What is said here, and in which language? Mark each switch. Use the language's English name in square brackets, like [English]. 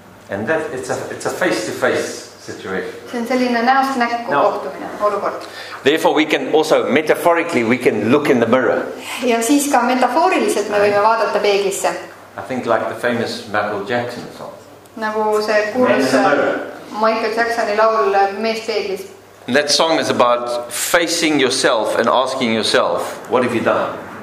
[English] And that it's a face-to-face situation. [Estonian] See on selline näost näkku kohtumine, olukord. [English] Therefore we can also metaphorically we can look in the mirror. [Estonian] Ja siis ka metafooriliselt me võime vaadata peeglisse. [English] I think like the famous Michael Jackson song. [Estonian] Nagu see kuulus Michael Jacksoni laul Mees peeglis. [English] That song is about facing yourself and asking yourself, what have you done?